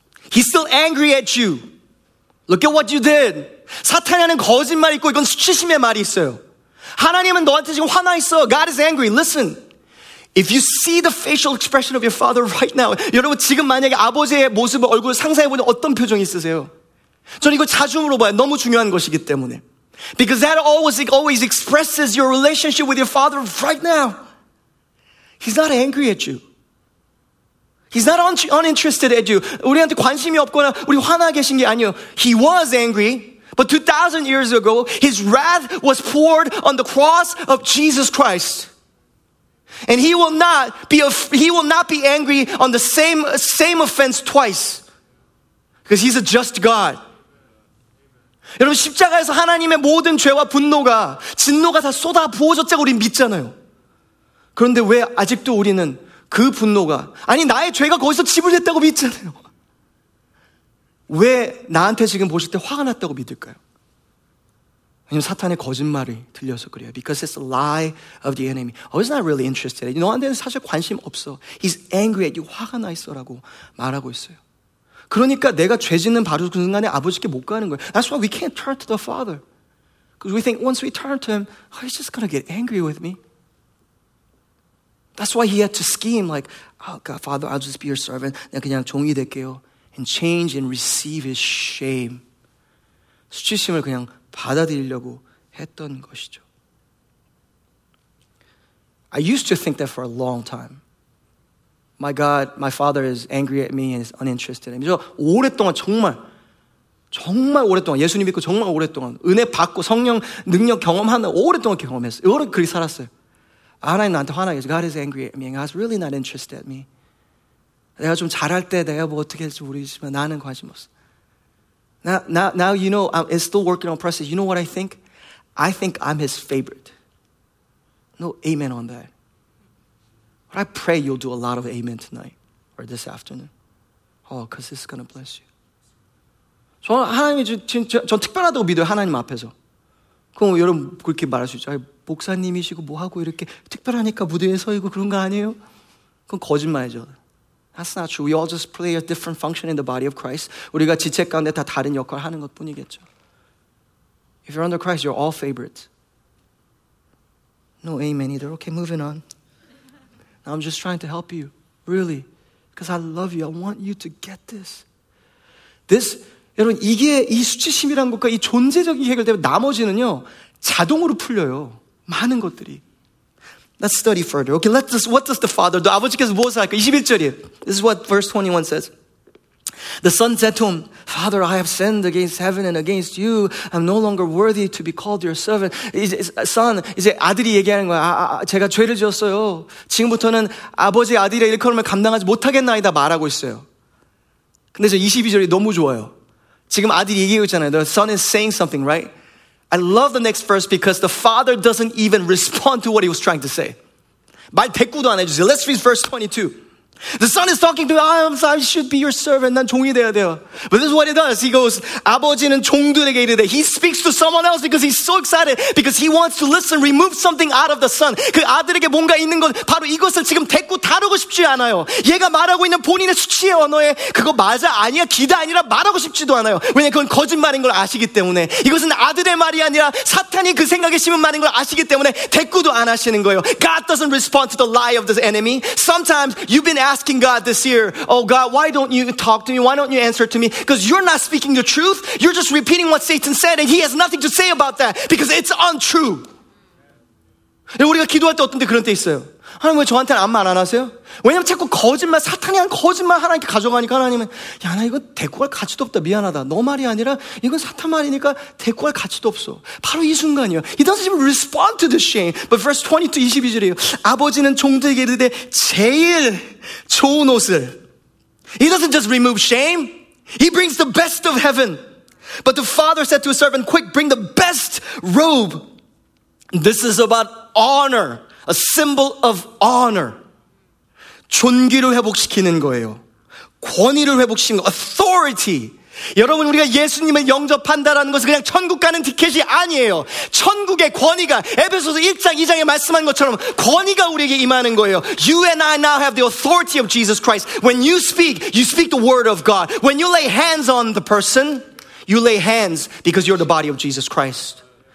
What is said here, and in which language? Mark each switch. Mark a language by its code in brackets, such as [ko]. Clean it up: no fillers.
[en] He's still angry at you. Look at what you did. [ko] 사탄에는 거짓말이 있고 이건 수치심의 말이 있어요. 하나님은 너한테 지금 화나 있어. [en] God is angry. Listen. If you see the facial expression of your father right now, [ko] 여러분 지금 만약에 아버지의 모습을 얼굴을 상상해보니 어떤 표정이 있으세요? 저는 이거 자주 물어봐요. 너무 중요한 것이기 때문에. [en] Because that always expresses your relationship with your father right now. He's not angry at you. He's not uninterested at you. [ko] 우리한테 관심이 없거나 우리 화나 계신 게 아니에요. [en] He was angry. But 2,000 years ago, his wrath was poured on the cross of Jesus Christ. And he will not be angry on the same offense twice. Because he's a just God. [ko] 여러분, 십자가에서 하나님의 모든 죄와 분노가, 진노가 다 쏟아 부어졌다고 우리 믿잖아요. 그런데 왜 아직도 우리는 그 분노가, 아니, 나의 죄가 거기서 지불됐다고 믿잖아요. 왜 나한테 지금 보실 때 화가 났다고 믿을까요? 왜냐면 사탄의 거짓말이 들려서 그래요. [en] Because it's a lie of the enemy. Oh, he's not really interested. [ko] 너한테는 사실 관심 없어. [en] He's angry at you. [ko] 화가 나 있어 라고 말하고 있어요. 그러니까 내가 죄 짓는 바로 그 순간에 아버지께 못 가는 거예요. [en] That's why we can't turn to the father. Because we think once we turn to him, oh, he's just going to get angry with me. That's why he had to scheme like, oh God, Father, I'll just be your servant. [ko] 내가 그냥 종이 될게요. [en] And change and receive his shame. [ko] 수치심을 그냥 받아들이려고 했던 것이죠. [en] I used to think that for a long time. My God, my father is angry at me and is uninterested in me. 저 [ko] 오랫동안 정말, 정말 오랫동안 예수님 믿고 정말 오랫동안 은혜 받고 성령 능력 경험하는 오랫동안 경험했어요. 오래 그렇게 살았어요. 하나님 나한테 화나게 해서 [en] God is angry at me and God is really not interested in me. [ko] 내가 좀 잘할 때 내가 뭐 어떻게 할지 모르겠지만 나는 관심 없어. [en] Now you know, it's still working on process. You know what I think? I think I'm his favorite. No amen on that. But I pray you'll do a lot of amen tonight or this afternoon. Oh, because this is going to bless you. [ko] 저는 하나님이 전 특별하다고 믿어요, 하나님 앞에서. 그럼 여러분 그렇게 말할 수 있죠. 목사님이시고 뭐하고 이렇게 특별하니까 무대에 서이고 그런 거 아니에요? 그건 거짓말이죠. [en] That's not true. We all just play a different function in the body of Christ. [ko] 우리가 지체 가운데 다 다른 역할을 하는 것뿐이겠죠. [en] If you're under Christ, you're all favorites. No amen either. Okay, moving on. I'm just trying to help you, really. Because I love you. I want you to get this. [ko] This, 여러분, 이게 이 수치심이라는 것과 이 존재적인 게 해결되면 나머지는요, 자동으로 풀려요. 많은 것들이. [en] Let's study further. Okay, what does the father do? [ko] 아버지께서 무엇을 할까? 21절이에요. [en] This is what verse 21 says. The son said to him, Father, I have sinned against heaven and against you. I'm no longer worthy to be called your servant. [ko] Son, 이제 아들이 얘기하는 거야. 제가 죄를 지었어요. 지금부터는 아버지 아들이라 일컬음을 감당하지 못하겠나이다 말하고 있어요. 근데 저 22절이 너무 좋아요. 지금 아들이 얘기하고 있잖아요. The [en] son is saying something, right? I love the next verse because the father doesn't even respond to what he was trying to say. [ko] 말 대꾸도 안 해주세요. [en] Let's read verse 22. The son is talking to me, I should be your servant. [ko] 난 종이 돼야 돼요. [en] But this is what he does. He goes, [ko] 아버지는 종들에게 이르되. [en] He speaks to someone else because he's so excited. Because he wants to listen, remove something out of the son. [ko] 그 아들에게 뭔가 있는 건 바로 이것을 지금 대꾸 다루고 싶지 않아요. 얘가 말하고 있는 본인의 수치의 언어에 그거 맞아 아니야 기대 아니라 말하고 싶지도 않아요. 왜냐하면 그건 거짓말인 걸 아시기 때문에. 이것은 아들의 말이 아니라 사탄이 그 생각에 심은 말인 걸 아시기 때문에 대꾸도 안 하시는 거예요. [en] God doesn't respond to the lie of this enemy. Sometimes you've been asking God this year, oh God, why don't you talk to me? Why don't you answer to me? Because you're not speaking the truth. You're just repeating what Satan said and he has nothing to say about that because it's untrue. [ko] 우리가 기도할 때 어떤 데 그런 때 있어요. 하나님 왜 저한테는 아무 말 안 하세요? 왜냐면 자꾸 거짓말, 사탄이 한 거짓말 하나님께 가져가니까 하나님은 야, 나 이거 대꾸할 가치도 없다. 미안하다. 너 말이 아니라 이건 사탄 말이니까 대꾸할 가치도 없어. 바로 이 순간이요. [en] He doesn't even respond to the shame. But verse 22, 22절이에요. [ko] 아버지는 종들에게 이르되 제일 좋은 옷을 [en] He doesn't just remove shame. He brings the best of heaven. But the father said to his servant, Quick, bring the best robe. This is about honor. A symbol of honor. [ko] 존귀를 회복시키는 거예요. 권위를 회복시키는 거예요. [en] Authority. [ko] 여러분 우리가 예수님을 영접한다라는 것은 그냥 천국 가는 티켓이 아니에요. 천국의 권위가 에베소서 1장 2장에 말씀한 것처럼 권위가 우리에게 임하는 거예요. [en] You and I now have the authority of Jesus Christ. When you speak the word of God. When you lay hands on the person, you lay hands because you're the body of Jesus Christ.